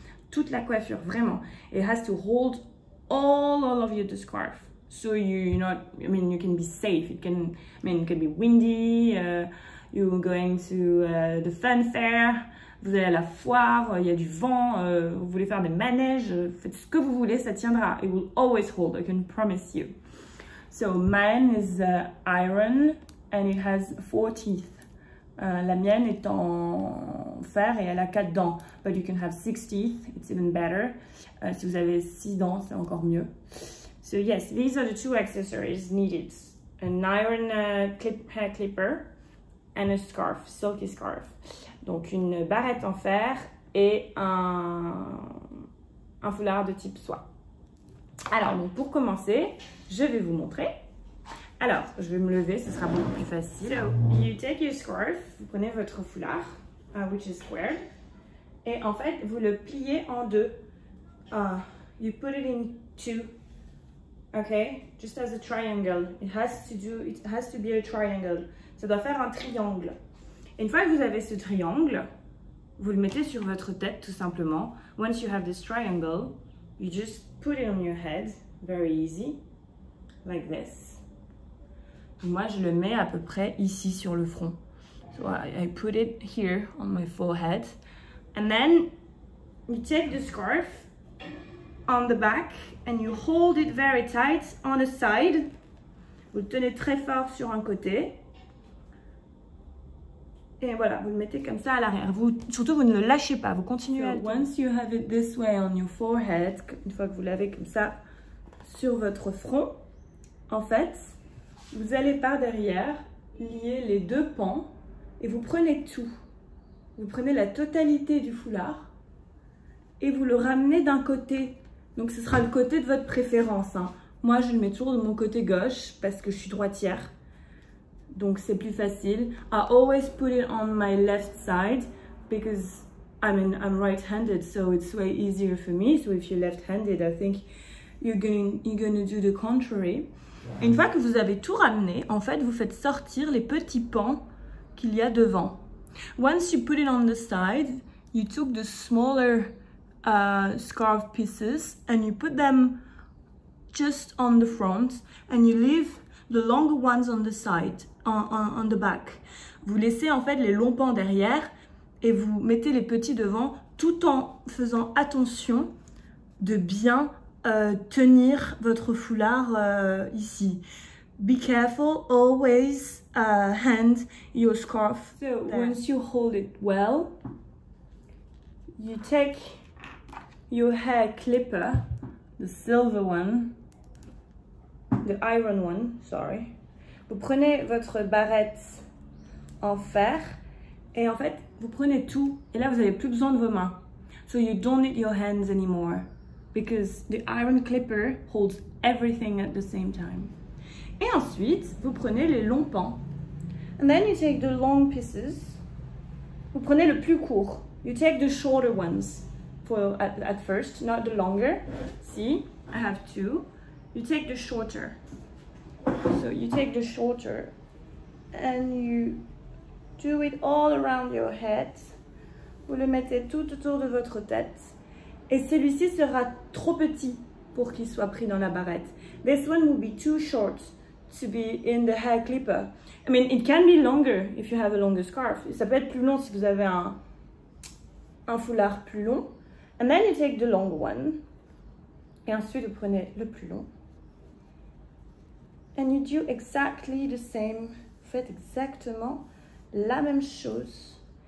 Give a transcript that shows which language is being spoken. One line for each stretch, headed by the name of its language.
French: Toute la coiffure, vraiment.
English: It has to hold all of your scarf, so you're not. I mean, you can be safe. It can be windy. You're going to the fun fair.
French: Vous allez à la foire. Il y a du vent. Vous voulez faire des manèges. Faites ce que vous voulez. Ça tiendra.
English: It will always hold. I can promise you. So mine is iron and it has 4 teeth.
French: La mienne est en fer et elle a 4 dents.
English: But you can have 6 teeth, it's even better.
French: Si vous avez 6 dents, c'est encore mieux.
English: So yes, these are the two accessories needed. An iron hair clipper and a scarf, silky scarf.
French: Donc une barrette en fer et un foulard de type soie. Alors donc, pour commencer, je vais vous montrer. Alors, je vais me lever, ce sera beaucoup plus facile.
English: So, you take your scarf,
French: vous prenez votre foulard,
English: which is squared,
French: et en fait, vous le pliez en deux.
English: You put it in two, okay? Just as a triangle. It has to be a triangle.
French: Ça doit faire un triangle. Et une fois que vous avez ce triangle, vous le mettez sur votre tête tout simplement.
English: Once you have this triangle, you just put it on your head, very easy, like this.
French: Moi, je le mets à peu près ici sur le front.
English: So I put it here on my forehead. And then you take the scarf on the back and you hold it very tight on a side.
French: Vous le tenez très fort sur un côté. Et voilà, vous le mettez comme ça à l'arrière. Surtout, vous ne le lâchez pas, vous continuez.
English: So once you have it this way on your forehead,
French: une fois que vous l'avez comme ça sur votre front, en fait, vous allez par derrière lier les deux pans et vous prenez tout. Vous prenez la totalité du foulard et vous le ramenez d'un côté. Donc, ce sera le côté de votre préférence. Hein. Moi, je le mets toujours de mon côté gauche parce que je suis droitière. Donc, c'est plus facile.
English: I always put it on my left side because I'm right-handed, so it's way easier for me. So, if you're left-handed, I think you're gonna do the contrary.
French: Et une fois que vous avez tout ramené, en fait, vous faites sortir les petits pans qu'il y a devant.
English: Once you put it on the side, you took the smaller scarf pieces and you put them just on the front and you leave the longer ones on the side, on the back.
French: Vous laissez en fait les longs pans derrière et vous mettez les petits devant tout en faisant attention de bien tenir votre foulard ici.
English: Be careful, always hand your scarf. So there. Once you hold it well, you take your hair clipper, the silver one, the iron one, sorry.
French: Vous prenez votre barrette en fer et en fait, vous prenez tout et là, vous n'avez plus besoin de vos mains.
English: So you don't need your hands anymore because the iron clipper holds everything at the same time.
French: Et ensuite, vous prenez les longs pans.
English: And then you take the long pieces.
French: Vous prenez le plus court.
English: You take the shorter ones at first, not the longer. See, I have two. You take the shorter. So you take the shorter and you do it all around your head.
French: Vous le mettez tout autour de votre tête. Et celui-ci sera trop petit pour qu'il soit pris dans la barrette.
English: This one will be too short to be in the hair clipper. I mean, it can be longer if you have a longer scarf.
French: Ça peut être plus long si vous avez un foulard plus long.
English: And then you take the long one.
French: Et ensuite, vous prenez le plus long.
English: And you do exactly the same.
French: Vous faites exactement la même chose.